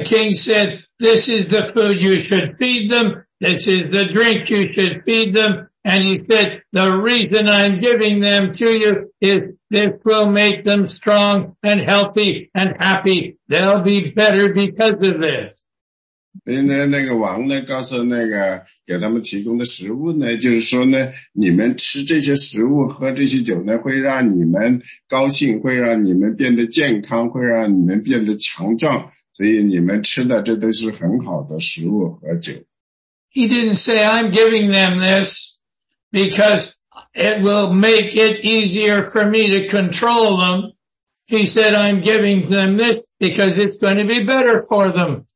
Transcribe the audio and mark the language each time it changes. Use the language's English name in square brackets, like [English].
[English] king said, this is the food you should feed them, this is the drink you should feed them. And he said, the reason I'm giving them to you is this will make them strong and healthy and happy. They'll be better because of this. [Chinese] 那个王呢，告诉那个给他们提供的食物呢，就是说呢，你们吃这些食物，喝这些酒呢，会让你们高兴，会让你们变得健康，会让你们变得强壮。所以你们吃的这都是很好的食物和酒。 [English] He didn't say, I'm giving them this because it will make it easier for me to control them. He said, I'm giving them this because it's going to be better for them.